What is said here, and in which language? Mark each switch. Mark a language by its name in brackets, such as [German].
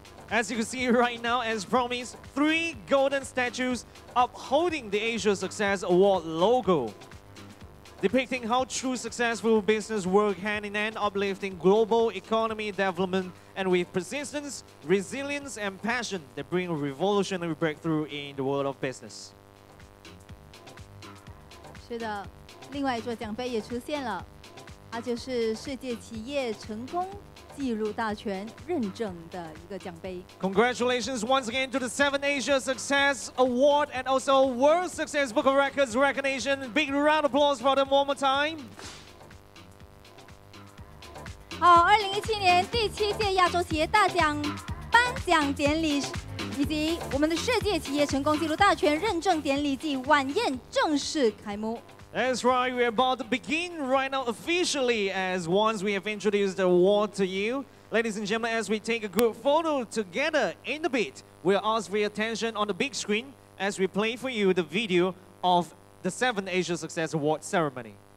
[English] As you can see right now, as promised, 3 golden statues upholding the Asia Success Award logo, depicting how true successful business work hand in hand, uplifting global economy development. And with persistence, resilience, and passion, they bring a revolutionary breakthrough in the world of business. [Chinese] 是的，另外一座奖杯也出现了，它就是世界企业成功记录大全认证的一个奖杯。 [English] Congratulations once again to the 7th Asia Success Award and also World Success Book of Records Recognition. Big round of applause for them one more time. [Chinese] 好，2017年第七届亚洲企业大奖颁奖典礼以及我们的世界企业成功记录大全认证典礼暨晚宴正式开幕。 [English] That's right, we're about to begin right now officially as once we have introduced the award to you. Ladies and gentlemen, as we take a good photo together in the bit, we'll ask for your attention on the big screen as we play for you the video of the 7th Asia Success Award ceremony.